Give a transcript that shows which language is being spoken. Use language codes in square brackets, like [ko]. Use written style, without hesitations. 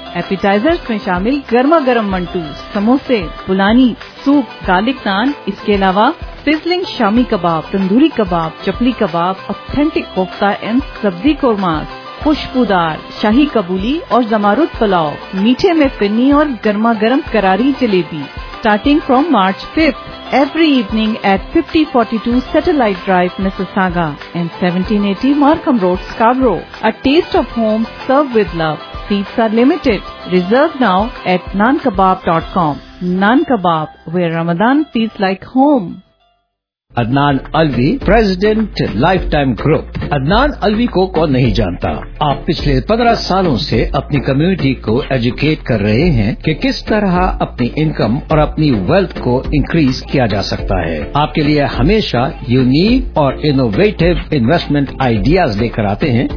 [hi] एपिटाइजर्स में शामिल गर्मा गर्म मंटू, समोसे, बुलानी, सूप, गार्लिक नान, इसके अलावा sizzling shami kebab, tandoori kebab, chapli kebab, authentic kofta and सब्जी कोरमा, खुशबूदार शाही कबूली और जमारूद पुलाव, मीठे में फिन्नी और गर्मा गर्म करारी jalebi. [en] Starting from March 5th, every evening at 5042 satellite drive Mississauga and 1780 Markham road Scarborough. A taste of home serve with love. Seats are limited. Reserve now at nankebab.com. Nan Kebab, where Ramadan feels like home. Adnan Alvi president lifetime group. [hi] Adnan Alvi को कौन नहीं जानता. आप पिछले 15 सालों से अपनी community को एजुकेट कर रहे हैं कि किस तरह अपनी इनकम और अपनी वेल्थ को इंक्रीज किया जा सकता है. आपके लिए हमेशा यूनिक और इनोवेटिव इन्वेस्टमेंट आइडियाज लेकर आते हैं.